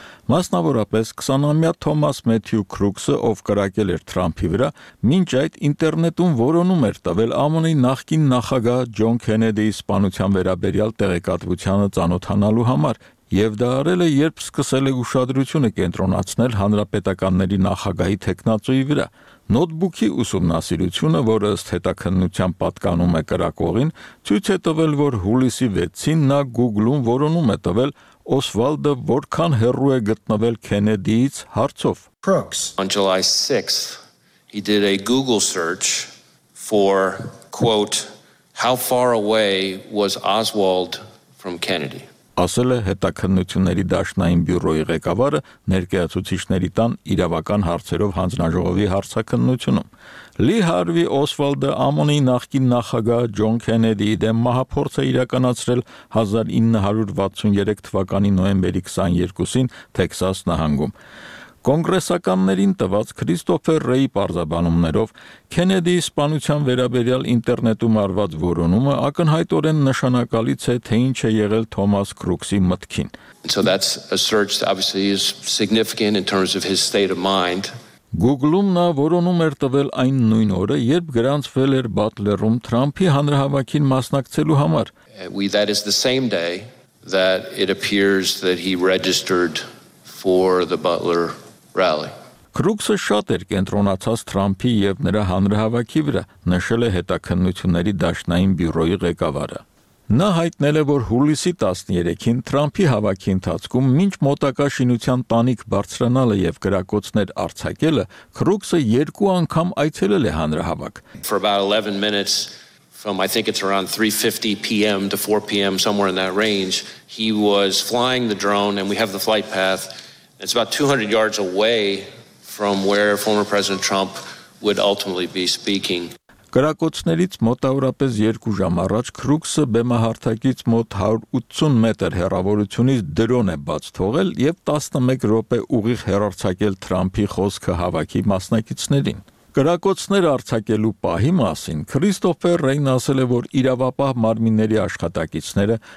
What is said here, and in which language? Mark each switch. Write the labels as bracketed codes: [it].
[hy] Մասնավորապես 20-ամյա Թոմաս Մեթյու Քրուքսը, ով կրակել էր Թրամփի վրա, մինչ այդ ինտերնետում որոնում էր տվել ԱՄՆ-ի նախկին նախագահ Ջոն Քենեդիի սպանության վերաբերյալ տեղեկատվությանը ծանոթանալու համար, եւ դա արել է, երբ սկսել է ուշադրությունը կենտրոնացնել հանրապետականների նախագահի թեկնածուի վրա։ Նոթբուքի ուսումնասիրությունը, որը ըստ հետաքննության պատկանում է կրակողին, ցույց է տվել, որ հուլիսի 6-ին նա Google-ում որոնում է տվել Օսվալդը որքան հեռու է գտնվել Քենեդիից հարցով. [en] On July 6th, he did a Google search for quote, how far away was Oswald from Kennedy. [hy] Ասել է հետաքննությունների դաշնային բյուրոյի ղեկավարը ներկայացուցիչների տան իրավական հարցերով հանձնաժողովի հարցակննությունում. Լի Հարվի Օսվալդը ԱՄՆ-ի նախկին նախագահ Ջոն Քենեդիի դեմ մահապորձը իրականացրել 1963 թվականի նոյեմբերի 22-ին Թեքսաս նահանգում։ Կոնգրեսականներին տված Քրիստոֆեր Ռեյի պարզաբանումներով Քենեդիի սպանության վերաբերյալ ինտերնետում արված որոնումը ակնհայտորեն նշանակալից է, թե ինչ է եղել Թոմաս Քրուքսի մտքին։ [en] So that's a search obviously is significant in terms of his state of mind. [hy] Google-ում նա որոնում էր տվել այն նույն օրը, երբ գրանցվել էր Բատլերում Թրամփի հանրահավաքին մասնակցելու համար. [en] That is the same day that it appears that he registered for the Butler rally. [hy] Քրուքսը շատ էր կենտրոնացած Թրամփի եւ նրա հանրահավաքի վրա, նշել է հետաքննությունների դաշնային բյուրոյի ղեկավարը։ Նա հայտնել է, որ հուլիսի 13-ին Թրամփի հավաքի ընթացքում մինչ մոտակա շինության տանիք բարձրանալը եւ կրակոցներ արձակելը, Քրուքսը երկու անգամ այցելել է հանրահավաք։ [en] For about 11 minutes from I think it's around 3:50 p.m. to 4 p.m. somewhere in that range, he was flying the drone and we have the flight path. It's about 200 yards away from where former President Trump would ultimately be speaking. [hy] Կրակոցներից մոտավորապես 2 ժամ առաջ Քրուքսը բեմահարթակից մոտ 180 մետր հեռավորությունից դրոն է բաց թողել եւ 11 րոպե ուղիղ հեռարձակել Թրամփի խոսքը հավաքի մասնակիցներին։ Կրակոցներ արձակելու պահի մասին Քրիստոֆեր Ռեյն ասել է, որ իրավապահ մարմինների աշխատակիցները